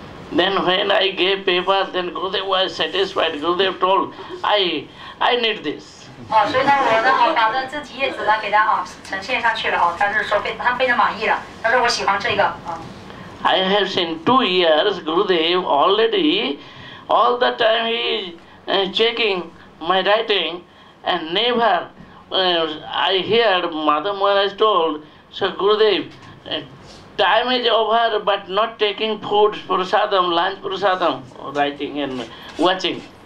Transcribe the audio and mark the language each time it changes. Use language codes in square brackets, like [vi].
[en] Then when I gave papers, then Gurudev was satisfied. Gurudev told, I need this. [zh] 所以呢，我把这几页纸给他呈现上去了，他非常满意了，他说我喜欢这个。 [en] I have seen 2 years Gurudev already, all the time he is checking my writing and never I heard Madhav Maharaj told, so Gurudev, time is over but not taking food, prasadam, lunch prasadam, writing and watching.